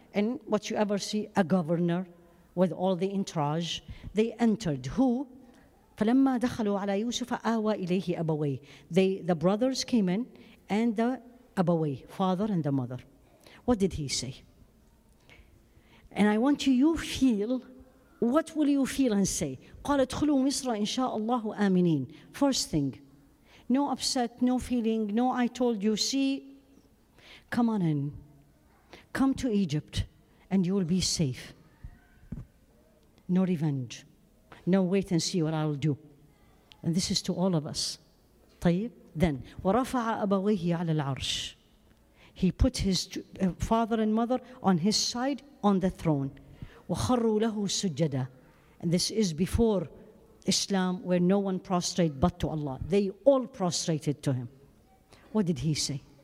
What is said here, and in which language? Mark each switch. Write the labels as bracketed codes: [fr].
[en] And what you ever see, a governor with all the entourage. They entered. Who? [ar] فلما دخلوا على يوسف آوى إليه أبويه. [en] They, the brothers came in, and the أبويه, father and the mother. What did he say? And I want you feel. What will you feel and say? [ar] قال ادخلوا مصر إن شاء الله آمنين. [en] First thing, no upset, no feeling, no I told you, see, come on in. Come to Egypt and you will be safe. No revenge. No wait and see what I will do. And this is to all of us. [ar] طيب. [en] Then, [ar] ورفع أبويه على العرش. [en] He put his father and mother on his side on the throne. [ar] وَخَرُّوا لَهُ سُجَّدًا. [en] And this is before Islam, where no one prostrate but to Allah. They all prostrated to him. What did he say?